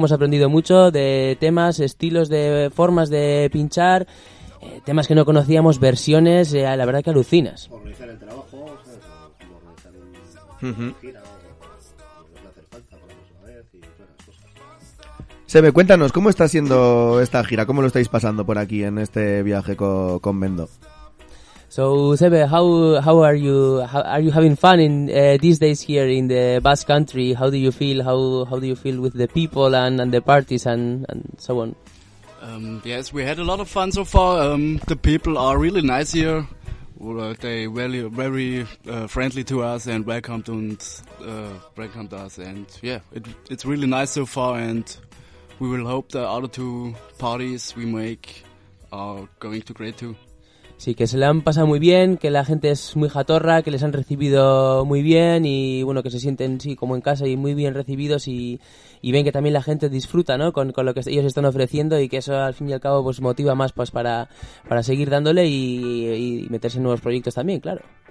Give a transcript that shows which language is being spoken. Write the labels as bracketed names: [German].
[Spanish] Hemos aprendido mucho de temas, estilos, de formas de pinchar, temas que no conocíamos, versiones, la verdad que alucinas. Organizar el trabajo, o sea, organizar el... Sebe, cuéntanos, ¿cómo está siendo esta gira? ¿Cómo lo estáis pasando por aquí en este viaje con Mendo? [English] So, Sebe, how are you? Are you having fun in these days here in the Basque Country? How do you feel? How do you feel with the people and the parties and so on? Yes, we had a lot of fun so far. The people are really nice here. Well, they very very friendly to us and welcomed us, and yeah, it's really nice so far, and we will hope the other two parties we make are going to great too. [Spanish] Sí, que se le han pasado muy bien, que la gente es muy jatorra, que les han recibido muy bien y, bueno, que se sienten, sí, como en casa y muy bien recibidos y ven que también la gente disfruta, ¿no?, con lo que ellos están ofreciendo y que eso, al fin y al cabo, pues motiva más pues para seguir dándole y meterse en nuevos proyectos también, claro.